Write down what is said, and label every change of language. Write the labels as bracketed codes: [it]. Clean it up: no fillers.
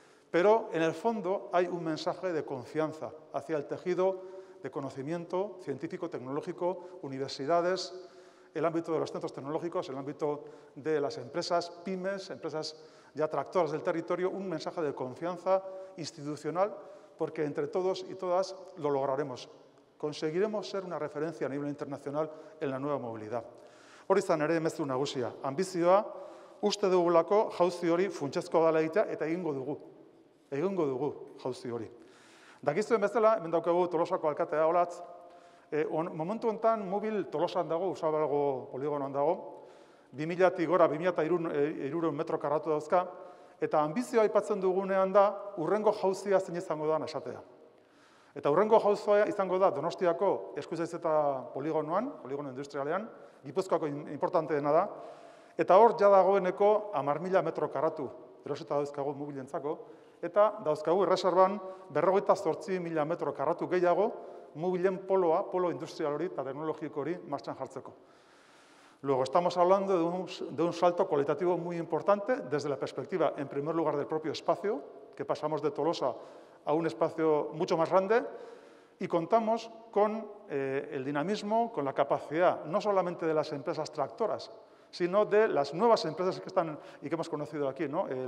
[es] Pero en el fondo hay un mensaje de confianza hacia el tejido de conocimiento científico, tecnológico, universidades, el ámbito de los centros tecnológicos, el ámbito de las empresas, pymes, empresas ya tractoras del territorio, un mensaje de confianza institucional, porque entre todos y todas lo lograremos. Conseguiremos ser una referencia a nivel internacional en la nueva movilidad. [eu] Hori izan ere mezu nagusia. Ambizioa, uste dugulako jauzi hori funtsezkoa dela egitea, eta egingo dugu. Egingo dugu jauzi hori. Dakizuen bezala, hemen daukagu Tolosako alkatea Olatz. Momentu honetan, Mubil Tolosan dago, Usabalgo poligonoan dago, 2000-tik gora, 2300 metro karratu dauzka, eta ambizioa aipatzen dugunean da, urrengo jauzia zein izango da esatea. Eta urrengo jauzia izango da Donostiako eskuzaiz eta poligonoan, poligono industrialean, Gipuzkoako importanteena da, eta hor jadagoeneko 10.000 metro karratu erosita dauzkagu Mubilentzako, eta dauzkagu erreserban 48.000 metro karratu gehiago Mubilen poloa, polo industrial hori eta teknologiko hori martxan jartzeko. [es] Luego, estamos hablando de un salto cualitativo muy importante desde la perspectiva, en primer lugar, del propio espacio, que pasamos de Tolosa a un espacio mucho más grande, y contamos con el dinamismo, con la capacidad, no solamente de las empresas tractoras, sino de las nuevas empresas que están y que hemos conocido aquí, ¿no?